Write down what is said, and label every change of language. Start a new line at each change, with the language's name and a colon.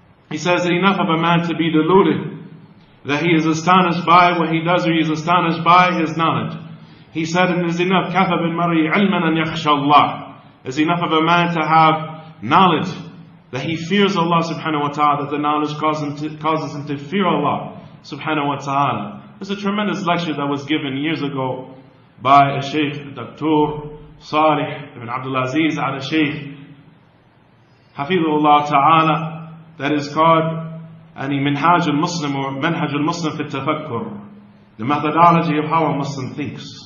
English: He says, enough of a man to be deluded, that he is astonished by what he does, or he is astonished by his knowledge. He said, and is enough,
Arabic: كَفَ بِالْمَرِي عِلْمًا أَنْ يَخْشَى اللَّهِ.
English: Is enough of a man to have knowledge, that he fears Allah subhanahu wa ta'ala, that the knowledge causes him to fear Allah subhanahu wa ta'ala. There's a tremendous lecture that was given years ago by a sheikh, Dr. Salih ibn Abdul Aziz, al sheikh, Hafidhullah ta'ala, that is called any Minhaj al-Muslim or Minhaj al-Muslim fi al-Tafakkur, the methodology of how a Muslim thinks.